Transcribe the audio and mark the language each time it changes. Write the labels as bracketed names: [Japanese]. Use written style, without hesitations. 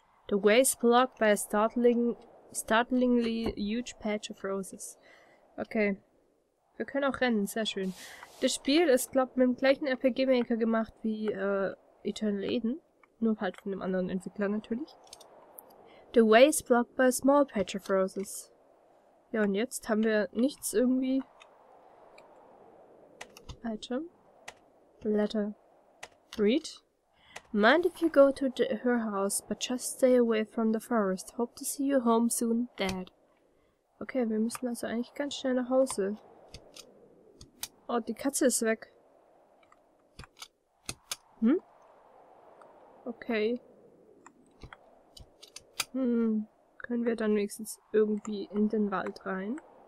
[English] The way is blocked by a startlingly huge patch of roses. Okay. [German] Wir können auch rennen, sehr schön. Das Spiel ist, glaube ich, mit dem gleichen RPG-Maker gemacht wie Eternal Eden. Nur halt von einem anderen Entwickler natürlich. [English] The way is blocked by a small patch of roses. [German] Ja, und jetzt haben wir nichts irgendwie... [English] Item. Letter. Read. Mind if you go to her house, but just stay away from the forest. Hope to see you home soon, Dad. [German] Okay, wir müssen also eigentlich ganz schnell nach Hause. Oh, die Katze ist weg. Hm? Okay. Können wir dann wenigstens irgendwie in den Wald rein?